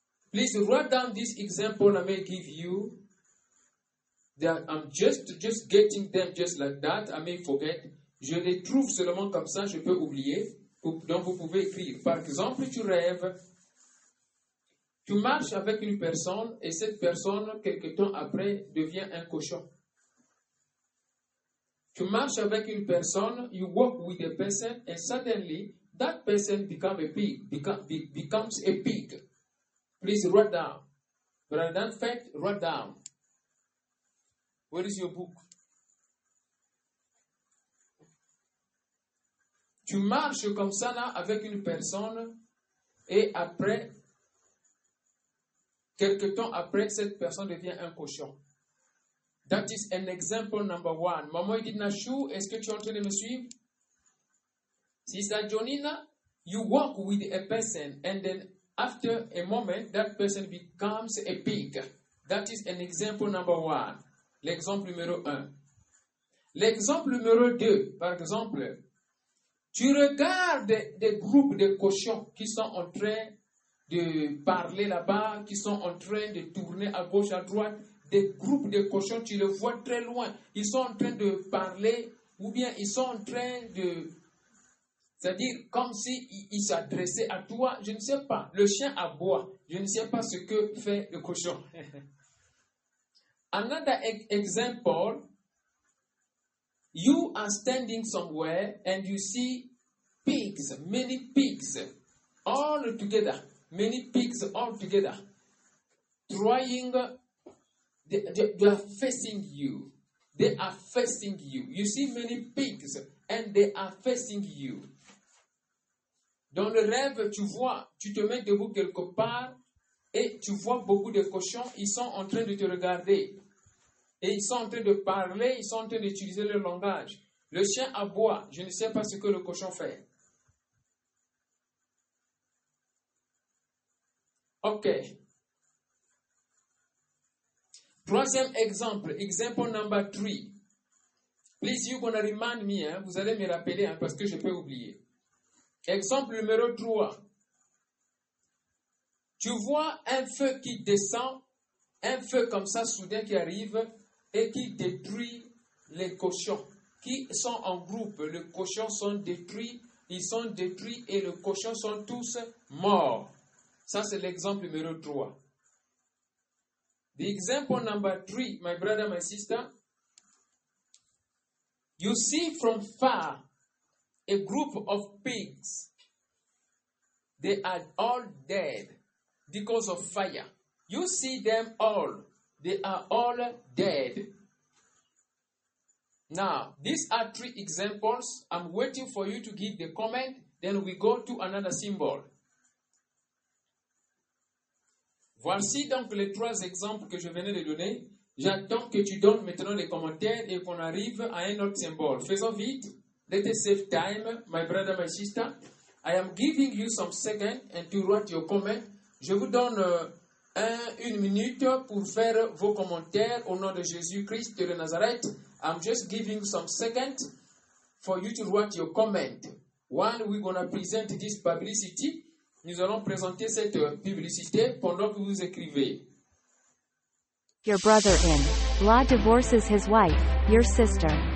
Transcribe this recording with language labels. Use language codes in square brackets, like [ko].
[en] Please write down this example I may give you. That I'm just getting them just like that. I may forget. [fr] Je les trouve seulement comme ça, je peux oublier. Donc vous pouvez écrire. Par exemple, tu rêves. Tu marches avec une personne et cette personne, quelque temps après, devient un cochon. Tu marches avec une personne, [en] you walk with a person, and suddenly that person becomes a pig. Becomes a pig. Please write down. Rather than fact, write down. Where is your book? [fr] Tu marches comme ça là avec une personne, et après, quelque temps après, cette personne devient un cochon. [en] That is an example number one. [fr] Maman Edina Chou, est-ce que tu es en train de me suivre? [en] Sister Jonina, you walk with a person and then after a moment, that person becomes a pig. That is an example number one. [fr] L'exemple numéro un. L'exemple numéro deux, par exemple, tu regardes des groupes de cochons qui sont en train de parler là-bas, qui sont en train de tourner à gauche, à droite. Des groupes de cochons, tu les vois très loin. Ils sont en train de parler ou bien ils sont en train de... C'est-à-dire comme s'ils s'adressaient à toi. Je ne sais pas. Le chien aboie. Je ne sais pas ce que fait le cochon. [en] Another example. You are standing somewhere and you see pigs. Many pigs. All together. Many pigs all together. Trying... They are facing you. They are facing you. You see many pigs and they are facing you. [fr] Dans le rêve, tu vois, tu te mets debout quelque part et tu vois beaucoup de cochons, ils sont en train de te regarder. Et ils sont en train de parler, ils sont en train d'utiliser leur langage. Le chien aboie, je ne sais pas ce que le cochon fait. Ok. Troisième exemple, [en] example number three. Please, you're gonna remind me, hein? [fr] Vous allez me rappeler hein, parce que je peux oublier. Exemple numéro trois. Tu vois un feu qui descend, un feu comme ça soudain qui arrive et qui détruit les cochons qui sont en groupe. Les cochons sont détruits, ils sont détruits et les cochons sont tous morts. Ça, c'est l'exemple numéro trois. [en] The example number three, my brother, my sister. You see from far a group of pigs. They are all dead because of fire. You see them all. They are all dead. Now, these are three examples. I'm waiting for you to give the comment. Then we go to another symbol. [fr] Voici donc les trois exemples que je venais de donner. J'attends que tu donnes maintenant les commentaires et qu'on arrive à un autre symbole. Faisons vite. [en] Let us save time, my brother, my sister. I am giving you some seconds and to write your comments. [fr] Je vous donne une minute pour faire vos commentaires au nom de Jésus-Christ de Nazareth. [en] I'm just giving some seconds for you to write your comments. While we're going to present this publicity, [fr] nous allons présenter cette publicité pendant que vous écrivez. [en] Your brother-in-law divorces his wife, your sister.